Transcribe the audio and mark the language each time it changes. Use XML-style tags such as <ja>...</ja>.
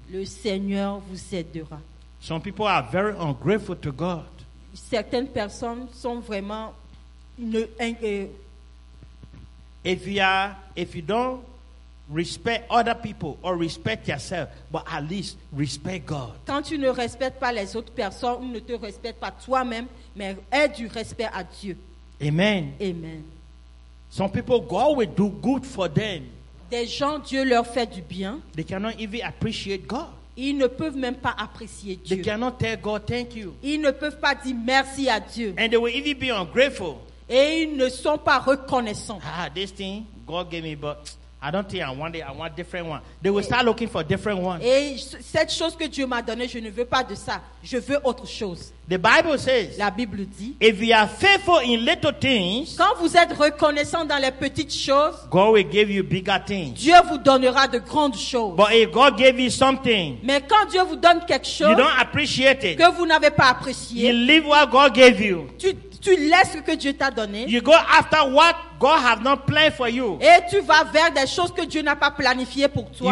<fr>Le Seigneur vous aidera.</fr> <en>Some people are very ungrateful to God.</en> <fr>Certaines personnes sont vraiment</fr> <en>If you don't respect other people or respect yourself, but at least respect God.</en> <fr>Quand tu ne respectes pas les autres personnes ou ne te respectes pas toi-même, mais aie du respect à Dieu. Amen. Amen.</fr> <en>Some people, God will do good for them.</en> <fr>Des gens, Dieu leur fait du bien.</fr> <en>They cannot even appreciate God.</en> <fr>Ils ne peuvent même pas apprécier Dieu.</fr> <en>They cannot tell God thank you.</en> <fr>Ils ne peuvent pas dire merci à Dieu.</fr> <en>And they will even be ungrateful.</en> <fr>Et ils ne sont pas reconnaissants.</fr> <en>Ah, this thing God gave me, but I don't think I want it. I want a different one. They will start looking for different ones.</en> <fr>Et cette chose que Dieu m'a donnée, je ne veux pas de ça. Je veux autre chose.</fr> <en>The Bible says,</en> <fr>la Bible dit,</fr> <en>if you are faithful in little things,</en> <fr>quand vous êtes reconnaissant dans les petites choses,</fr> <en>God will give you bigger things.</en> <fr>Dieu vous donnera de grandes choses.</fr> <en>But if God gave you something,</en> <fr>mais quand Dieu vous donne quelque chose,</fr> <en>you don't appreciate it,</en> <fr>que vous n'avez pas apprécié,</fr> <en>you leave what God gave you.</en> <fr>Tu laisses ce que Dieu t'a donné.</fr> <en>You go after what God has not planned for you.</en> <fr>Et tu vas vers des choses que Dieu n'a pas planifiées pour toi.</fr>